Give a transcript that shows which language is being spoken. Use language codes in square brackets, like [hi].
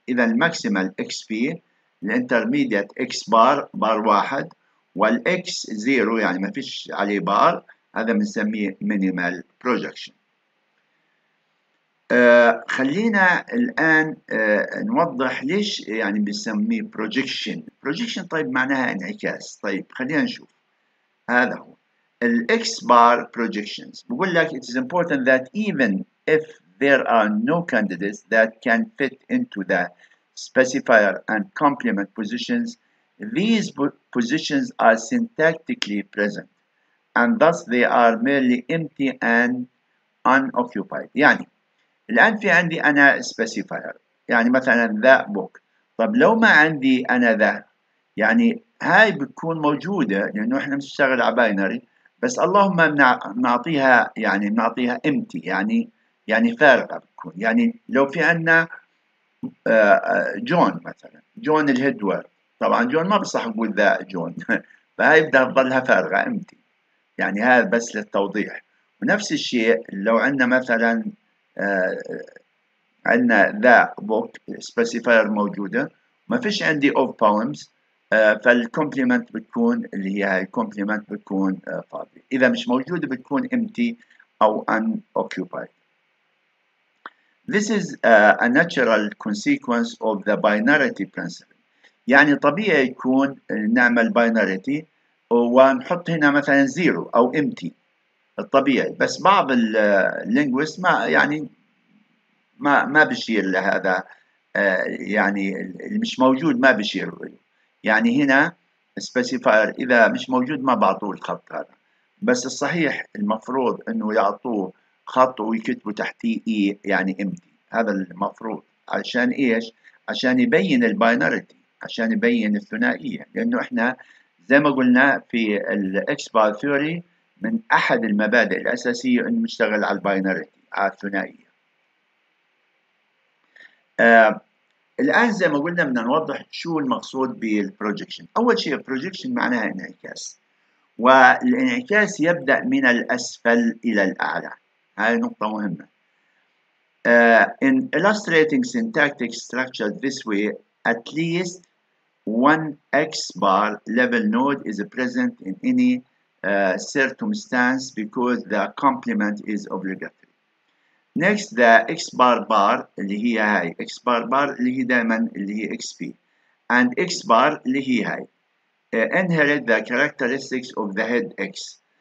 [ar] اذا الماكسيمال اكس بي، الانترميديت اكس بار، بار واحد، والاكس زيرو يعني ما فيش عليه بار، هذا بنسميه مينيمال بروجكشن. خلينا الان نوضح ليش يعني بنسميه بروجكشن. بروجكشن طيب معناها انعكاس. طيب خلينا نشوف، هذا هو الاكس بار بروجكشنز. بقول لك [en] it is important that even if there are no candidates that can fit into the specifier and complement positions, these positions are syntactically present and thus they are merely empty and unoccupied. يعني [ar] الآن في عندي أنا specifier يعني مثلاً [en] the book. [ar] طب لو ما عندي أنا the يعني هاي بتكون موجودة لأنه إحنا بنشتغل على باينري، بس اللهم نعطيها يعني نعطيها empty يعني فارغة بتكون. يعني لو في عندنا جون مثلاً جون الهيدوارد، طبعاً جون ما بصح أقول the جون، فهاي بدها تظلها فارغة empty يعني، هذا بس للتوضيح. ونفس الشيء لو عندنا مثلاً عندنا ذا بوك specifier موجودة، ما فيش عندي [en] of poems، [ar] فالcomplement بتكون اللي هي الcomplement بتكون فاضي. إذا مش موجودة بتكون empty أو unoccupied. [en] This is a natural consequence of the binarity principle. [ar] يعني طبيعي يكون نعمل binarity ونحط هنا مثلا zero أو empty الطبيعي، بس بعض اللينغويست ما يعني ما بشير لهذا، يعني اللي مش موجود ما بشير له. يعني هنا specifier إذا مش موجود ما بعطوه الخط هذا، بس الصحيح المفروض إنه يعطوه خط ويكتبوا تحتيه إيه يعني empty، هذا المفروض. عشان إيش؟ عشان يبين الباينارتي، عشان يبين الثنائية، لأنه إحنا زي ما قلنا في الـ X-Bar Theory من أحد المبادئ الأساسية أن نشتغل على الباينارتي على الثنائية. الآن زي ما قلنا بدنا نوضح شو المقصود بالبروجكشن. أول شيء البروجكشن معناها انعكاس، والانعكاس يبدأ من الأسفل إلى الأعلى، هذه نقطة مهمة. [en] In illustrating syntactic structure this way at least one X bar level node is present in any circumstance because the complement is obligatory. Next the X bar bar [ar] اللي هي هاي [en] X bar bar [ar] اللي هي دائما اللي هي [en] XP and X bar اللي هي هاي inherit the characteristics of the head X.